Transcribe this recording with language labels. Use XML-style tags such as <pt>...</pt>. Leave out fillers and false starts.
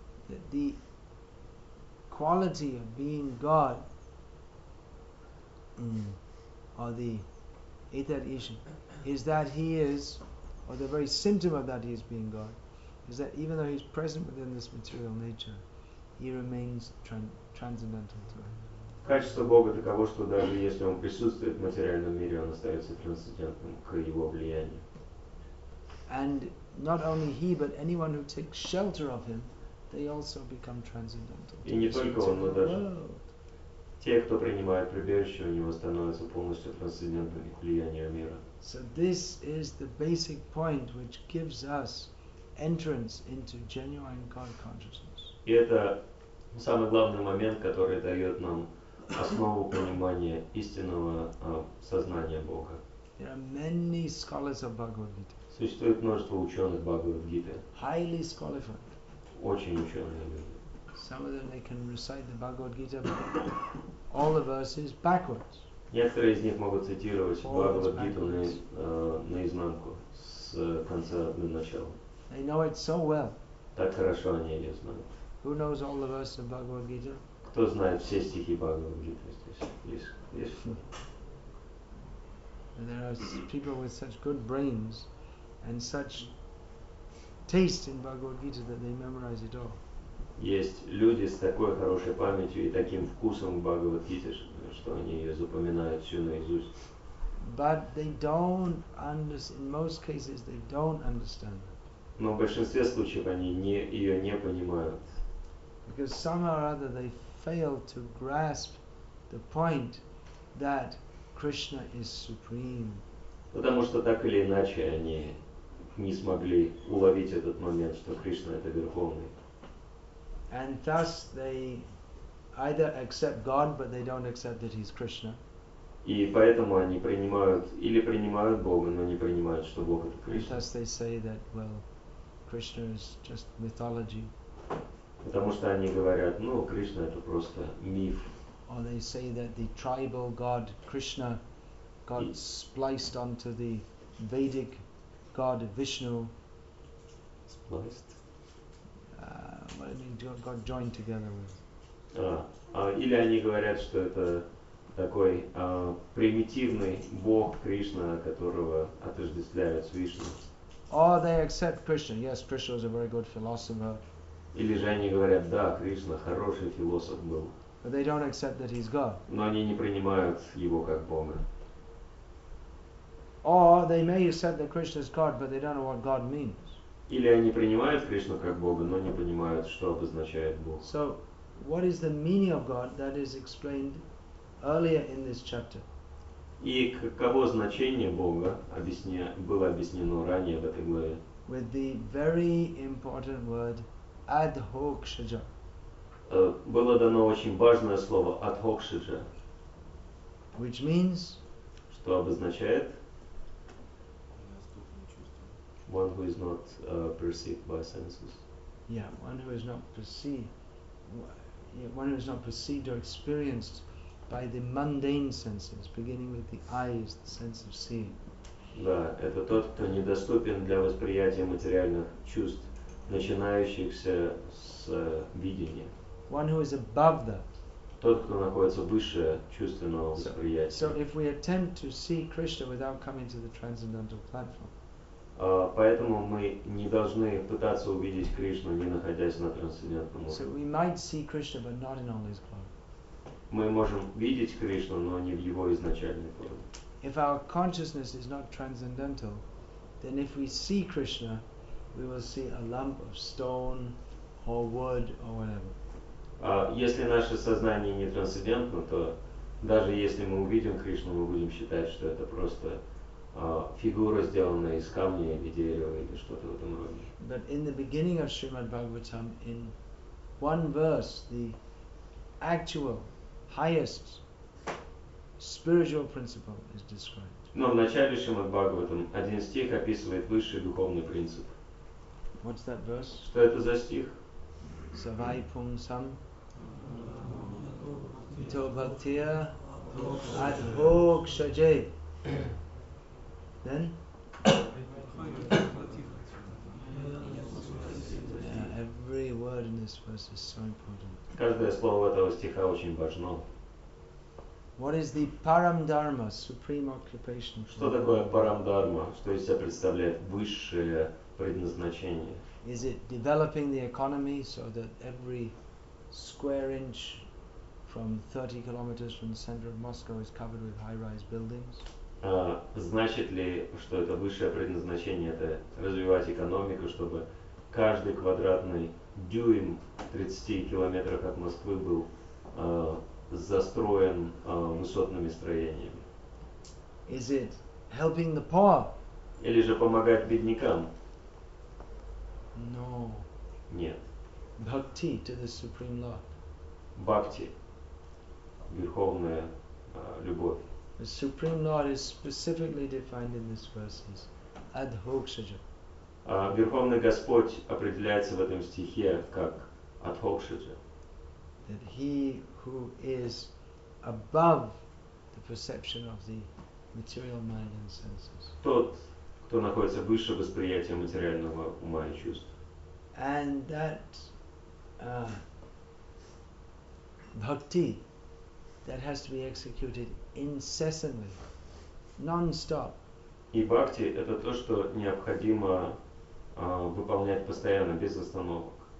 <en>That the quality of being God, or the etad isha, is that he is, or the very symptom of that he is being God, is that even though he's present within this material nature, he remains transcendental to it.</en> <ru>Качество Бога таково, что даже если он присутствует в материальном мире, он остается трансцендентным к его влиянию.</ru> <en>And not only he, but anyone who takes shelter of him, they also become transcendental.</en> <ru>И не только он, но даже те, кто принимает прибежище у него, становятся полностью трансцендентными к влиянию мира.</ru> <en>So this is the basic point which gives us entrance into genuine God consciousness.</en> <ru>И это самый главный момент, который дает нам основу понимания истинного сознания Бога.</ru> <en>There are many scholars of Bhagavad Gita.</en> <ru>Существует множество ученых Бхагавад Гиты.</ru> <en>Highly qualified.</en> <ru>Очень ученые люди.</ru> <en>Some of them they can recite the Bhagavad Gita all the verses backwards.</en> <ru>Некоторые из них могут цитировать Бхагавад Гиту наизнанку с конца до начала.</ru> <en>They know it so well.</en> <ru>Так хорошо они ее знают.</ru> <en>Who knows all the verses of Bhagavad Gita?</en> <ru>Кто знает все стихи Бхагавад Гиты здесь? Есть.</ru> <en>There are people with such good brains and such taste in Bhagavad Gita that they memorize it all.</en> <ru>Есть люди с такой хорошей памятью и таким вкусом в Бхагавад Гите, что они ее запоминают всю наизусть.</ru> <en>But they don't understand. In most cases, they don't understand.</en> <ru>Но в большинстве случаев они ее не понимают.</ru> <en>Because somehow or other they fail to grasp the point that Krishna is supreme.</en> <ru>Потому что так или иначе они не смогли уловить этот момент, что Кришна это верховный.</ru> <en>And thus they either accept God, but they don't accept that he's Krishna.</en> <ru>И поэтому они принимают или принимают Бога, но не принимают, что Бог это Кришна.</ru> <en>And thus they say that, well, Krishna is just mythology.</en> <ru>Потому что они говорят, ну, Кришна это просто миф.</ru> <en>Or they say that the tribal god Krishna got spliced onto the Vedic God Vishnu spliced. What do you mean? God joined together with.</en> <ru>Или они говорят, что это такой примитивный бог Кришна, которого отождествляют с Вишну.</ru> <en>Or they accept Krishna. Yes, Krishna was a very good philosopher.</en> <ru>Или же они говорят, да, Кришна хороший философ был.</ru> <en>But they don't accept that he's God.</en> <ru>Но они не принимают его как бога.</ru> <en>Or they may accept that Krishna is God, but they don't know what God means.</en> <ru>Или они принимают Кришну как Бога, но не понимают, что обозначает Бог.</ru> <en>So, what is the meaning of God? That is explained earlier in this chapter.</en> <ru>И каково значение Бога было объяснено ранее в этой главе?</ru> <en>With the very important word adhokshaja.</en> <ru>Было дано очень важное слово adhokshaja,</ru> <en>which means.</en> <ru>Что обозначает?</ru> <en>One who is not perceived by senses. Yeah, one who is not perceived, one who is not perceived or experienced by the mundane senses, beginning with the eyes, the sense of seeing.</en> <ru>Да, это тот, кто недоступен для восприятия материальных чувств, начинающихся с видения.</ru> <en>One who is above that.</en> <ru>Тот, кто находится выше чувственного восприятия.</ru> <en>So if we attempt to see Krishna without coming to the transcendental platform.</en> <ru>Поэтому мы не должны пытаться увидеть Кришну, не находясь на трансцендентном уровне.</ru> <en>So we might see Krishna, but not in all his glory.</en> <ru>Мы можем видеть Кришну, но не в его изначальной форме.</ru> <en>If our consciousness is not transcendental, then if we see Krishna, we will see a lump of stone or wood or whatever.</en> <ru>Если наше сознание не трансцендентно, то даже если мы увидим Кришну, мы будем считать, что это просто фигура, сделанная из камня или дерева или что-то в этом роде.</ru> <en>But in the beginning of Srimad Bhagavatam, in one verse, the actual highest spiritual principle is described.</en> <ru>Но в начале Шримад Бхагаватам один стих описывает высший духовный принцип.</ru> <en>What's that verse?</en> <ru>Что это за стих?</ru> <sa>Savai pum sam ito bhaktiya ad bhog shaje. Then?</sa> <en>Yeah, every word in this verse is so important.</en> <ru>Каждое слово этого стиха очень важно.</ru> <en>What is the param dharma, supreme occupation?</en> <ru>Что такое param dharma? Что из себя представляет высшее предназначение?</ru> <en>Is it developing the economy so that every square inch from 30 kilometers from the center of Moscow is covered with high-rise buildings?</en> <ru>Значит ли, что это высшее предназначение, это развивать экономику, чтобы каждый квадратный дюйм 30 километров от Москвы был застроен высотными строениями?</ru> <en>Is it helping the poor?</en> <ru>Или же помогать беднякам?</ru> <en>No.</en> <ru>Нет.</ru> <en>Bhakti to the Supreme Lord.</en> <ru>Bhakti. Верховная любовь.</ru> <en>The Supreme Lord is specifically defined in this verse as Adhokshaja.</en> <ru>Верховный Господь определяется в этом стихе как Adhokshaja.</ru> <en>That he who is above the perception of the material mind and senses.</en> <ru>Тот, кто находится выше восприятия материального ума и чувств.</ru> <en>And that bhakti that has to be executed incessantly, non-stop.</en> <ru>И бхакти – это то, что необходимо выполнять постоянно, без остановок.</ru>